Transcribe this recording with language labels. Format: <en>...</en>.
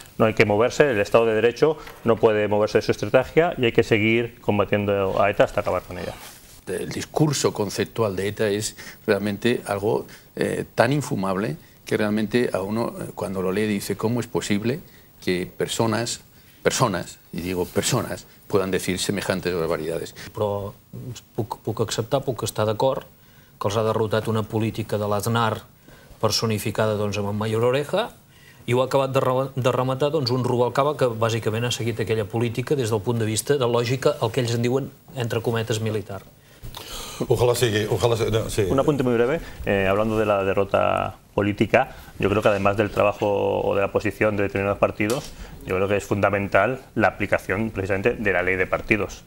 <es>No hay que moverse, el Estado de Derecho no puede moverse de su estrategia y hay que seguir combatiendo a ETA hasta acabar con ella. El discurso conceptual de ETA es realmente algo tan infumable que realmente a uno cuando lo lee dice ¿cómo es posible que personas, y digo personas, puedan decir semejantes barbaridades?</es> <ca>Però puc acceptar, puc estar d'acord que els ha derrotat una política de l'Aznar personificada doncs, amb en Mayor Oreja i ho ha acabat de rematar doncs, un Rubalcaba que bàsicament ha seguit aquella política des del punt de vista de lògica, el que ells en diuen, entre cometes, militar. Ojalá sigui. No, sí.</ca> <es>Un apunte muy breve, hablando de la derrota política, yo creo que además del trabajo o de la posición de determinados partidos, yo creo que es fundamental la aplicación precisamente de la ley de partidos.</es>